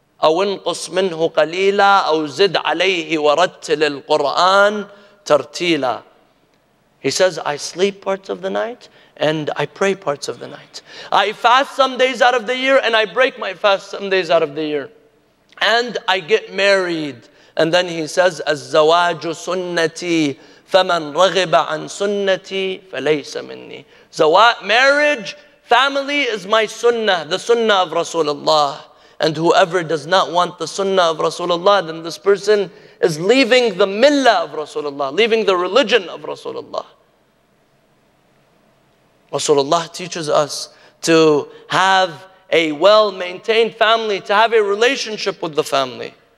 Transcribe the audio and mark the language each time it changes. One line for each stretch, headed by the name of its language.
Arabic: أَوْ انْقُصْ مِنْهُ قَلِيلًا أَوْ زِدْ عَلَيْهِ وَرَتِّلِ الْقُرْآنِ تَرْتِيلًا.
English: He says, I sleep parts of the night and I pray parts of the night. I fast some days out of the year and I break my fast some days out of the year. And I get married. And then he says,
Arabic: الزواج سنتي فمن رغب عن سنتي فليس مني.
English: Marriage, family is my sunnah, the sunnah of Rasulullah. And whoever does not want the sunnah of Rasulullah, then this person is leaving the millah of Rasulullah, leaving the religion of Rasulullah. Rasulullah teaches us to have a well-maintained family, to have a relationship with the family.